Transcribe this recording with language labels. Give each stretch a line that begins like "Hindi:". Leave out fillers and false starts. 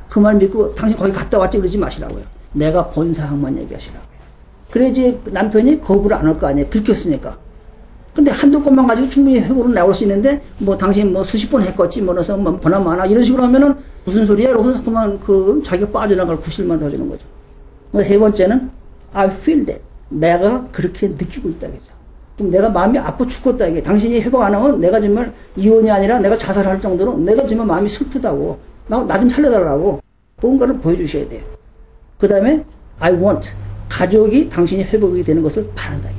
Korean: 그 말 믿고 당신 거기 갔다 왔지 그러지 마시라고요. 내가 본 사항만 얘기하시라고요. 그래야지 남편이 거부를 안 할 거 아니에요. 들켰으니까. 근데 한두 건만 가지고 충분히 회고로 나올 수 있는데 뭐 당신 뭐 수십 번 했겠지 뭐라서 뭐 보나 마나 이런 식으로 하면은 무슨 소리야? 이러고 그만 그 자기가 빠져나갈 구실만 달리는 거죠. 세 번째는
English: I feel that.
Korean: 내가 그렇게 느끼고 있다. 그죠? 좀 내가 마음이 아파 죽겠다. 이게 당신이 회복 안 하면 내가 정말 이혼이 아니라 내가 자살할 정도로 내가 정말 마음이 슬프다고. 나 좀 살려달라고. 뭔가를 보여주셔야 돼요. 그 다음에
English: I want.
Korean: 가족이 당신이 회복이 되는 것을 바란다.